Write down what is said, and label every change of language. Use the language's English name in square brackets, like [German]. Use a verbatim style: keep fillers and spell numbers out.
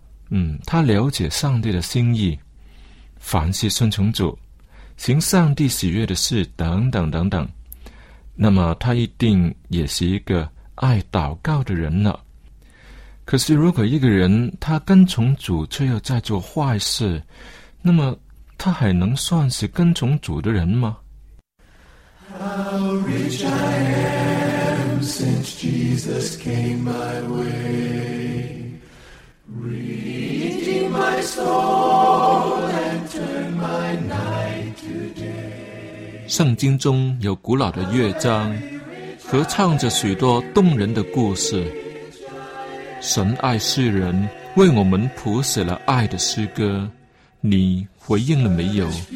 [Chinese] 嗯，他了解上帝的心意，凡事顺从主，行上帝喜悦的事等等等等。那么他一定也是一个爱祷告的人了。可是如果一个人他跟从主却又在做坏事，那么他还能算是跟从主的人吗？ [English] How rich I am since Jesus came my way, redeemed my soul and turned my night to day。 [Chinese] 圣经中有古老的乐章，合唱着许多动人的故事。神爱世人，为我们谱写了爱的诗歌。你回应了没有？